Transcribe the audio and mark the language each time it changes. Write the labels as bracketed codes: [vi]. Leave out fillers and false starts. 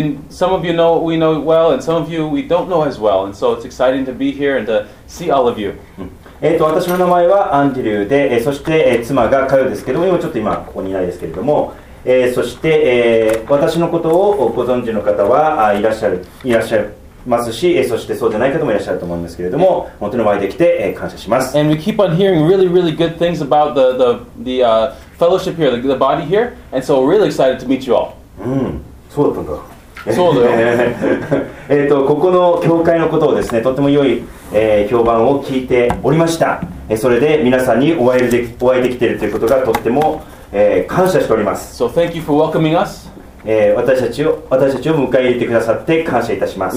[en] Some of you know we know well, and some of you we don't know as well. And so it's exciting to be here and to see all of you. [ja] 私の名前はアンドリューで、そして、妻がカヨですけども、今ちょっと今ここにいないですけれども、そして、私のことをご存知の方はいらっしゃる。ますし、そしてそうでない方もいらっしゃると思うんですけれども、本当にお会いできて感謝します。 [en] And we keep on hearing really, really good things about the fellowship here, the body here, and so really excited to meet you all. [ja] そうだったんだ。そうだよ。ここの教会のことをですね、とても良い、評判を聞いておりました。それで皆さんにお会いできているということがとっても、感謝しております。 [en] So thank you for welcoming us. [ja] 私たちを迎え入れてくださって感謝いたします。